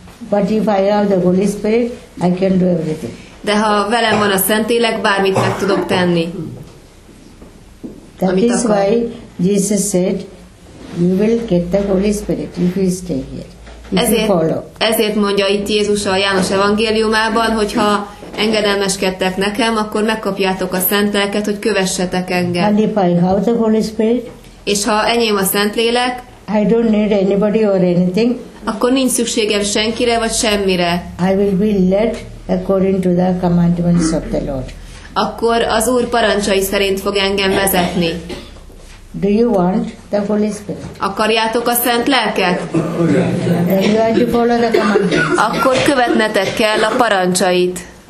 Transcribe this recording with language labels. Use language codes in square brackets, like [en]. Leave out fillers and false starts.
[en] But if I have the Holy Spirit, I can do everything. [hu] De ha velem van a Szentlélek, bármit meg tudok tenni. [en] That is why Jesus said, you will get the Holy Spirit if you stay here. [hu] Ezért mondja itt Jézus a János evangéliumában, hogyha engedelmeskedtek nekem, akkor megkapjátok a Szent Lelket, hogy kövessetek engem. [en] And if I have the Holy Spirit, [hu] és ha enyém a Szent Lélek, [en] I don't need anybody or anything, [hu] akkor nincs szükségem senkire vagy semmire. [en] I will be led according to the commandments of the Lord. [hu] Akkor az Úr parancsai szerint fog engem vezetni. [en] Do you want the Holy Spirit? [hu] Akarjátok a Szent Lelket? [en] Then you have to follow the commandments. [hu] Akkor követnetek kell a parancsait.